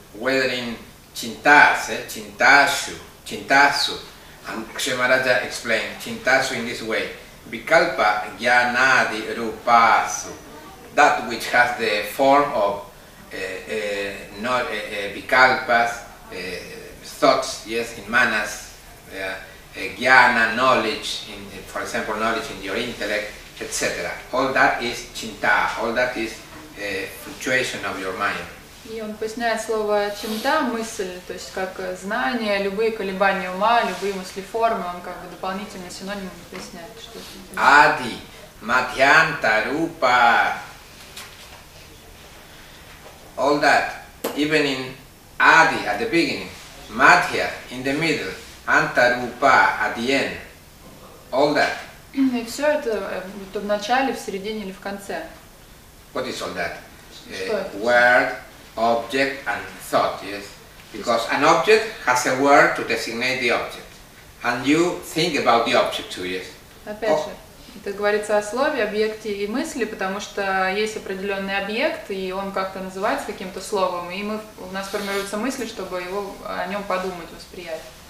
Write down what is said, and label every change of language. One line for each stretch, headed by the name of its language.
English: Whether in chintas, chintasu, chintasu, and Kshemaraja explained chintasu in this way, vikalpa jnanadi rupasu, that which has the form of vikalpas, thoughts, yes, in manas, jnana, knowledge, for example, knowledge in your intellect, etc. All that is chinta, all that is fluctuation of your mind.
Russian: И он поясняет слово чинта, мысль, то есть как знание, любые колебания ума, любые мысли формы, он как бы дополнительно синонимом поясняет, что это.
English: Ади, мадьянта, рупа, all that, even in Adi, at the beginning, Madhya, in the middle, Antarupa, at the end, all that.
Russian: И все это, то в начале, в середине или в конце.
English: What is all that?
Russian: Что это?
English: Word, object, and thought, yes? Because an object has a word to designate the object. And you think about the object too, yes?
Russian: Опять же, это говорится о слове, объекте и мысли, потому что есть определенный объект, и он как-то называется каким-то словом, и мы, у нас формируются мысли, чтобы его, о нем подумать, восприять.